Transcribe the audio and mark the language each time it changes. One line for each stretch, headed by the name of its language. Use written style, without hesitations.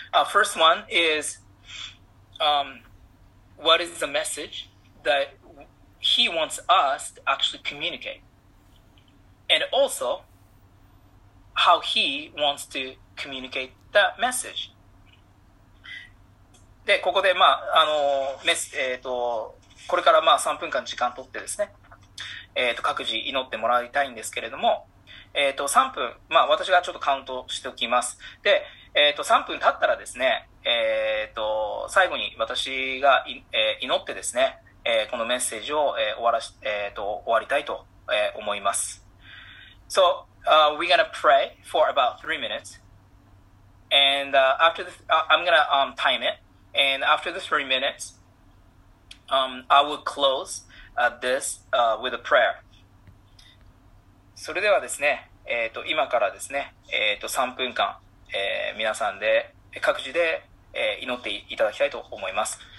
English: First one is, what is the message that He wants us to actually communicate? And also, how He wants to communicate that message.
Japanese: で、ここで、まあ、これから、まあ、3分間時間取ってですね、各自祈ってもらいたいんですけれども、3分、まあ、私がちょっとカウントしておきます。で、3分経ったらですね、最後に私が、祈ってですね、このメッセージを、終わりたいと、思います。
English: So, we're gonna pray for about 3 minutes. And, after this, I'm gonna, time it. And after the 3 minutes, I will close this with a prayer.
Japanese: それではですね、今からですね、3分間、皆さんで各自で、祈っていただきたいと思います。